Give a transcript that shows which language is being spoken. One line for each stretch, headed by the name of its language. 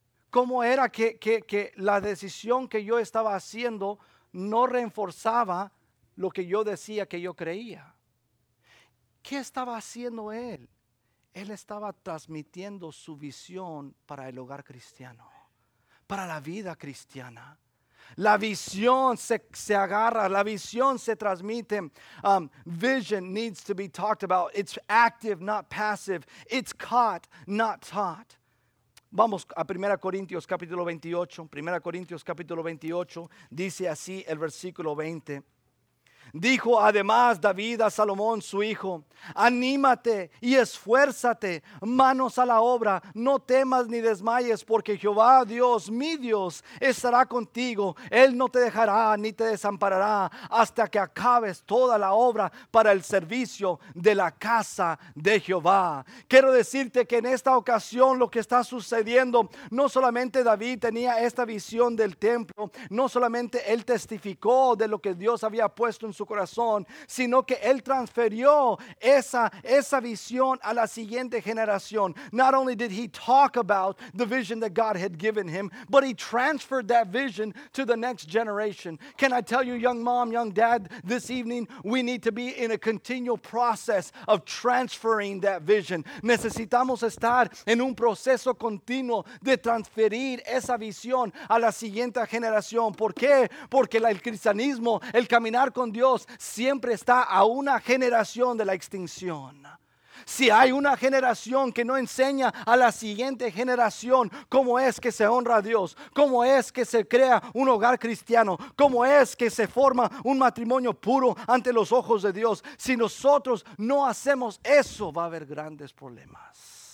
Spanish: Cómo era que la decisión que yo estaba haciendo no reforzaba lo que yo decía que yo creía. ¿Qué estaba haciendo él? Él estaba transmitiendo su visión para el hogar cristiano, para la vida cristiana. La visión se agarra, la visión se transmite.
English: Vision needs to be talked about. It's active, not passive. It's caught, not taught.
Spanish: Vamos a 1 Corintios capítulo 28. 1 Corintios capítulo 28 dice así el versículo 20. Dijo además David a Salomón su hijo: anímate y esfuérzate, manos a la obra, no temas ni desmayes, porque Jehová Dios, mi Dios, estará contigo. Él no te dejará ni te desamparará hasta que acabes toda la obra para el servicio de la casa de Jehová. Quiero decirte que en esta ocasión lo que está sucediendo, no solamente David tenía esta visión del templo, no solamente él testificó de lo que Dios había puesto en su corazón, sino que él transfirió esa visión a la siguiente generación.
English: Not only did he talk about the vision that God had given him, but he transferred that vision to the next generation. Can I tell you, young mom, young dad, this evening, we need to be in a continual process of transferring that vision.
Spanish: Necesitamos estar en un proceso continuo de transferir esa visión a la siguiente generación. ¿Por qué? Porque el cristianismo, el caminar con Dios, siempre está a una generación de la extinción. Si hay una generación que no enseña a la siguiente generación cómo es que se honra a Dios, cómo es que se crea un hogar cristiano, cómo es que se forma un matrimonio puro ante los ojos de Dios, si nosotros no hacemos eso, va a haber grandes problemas.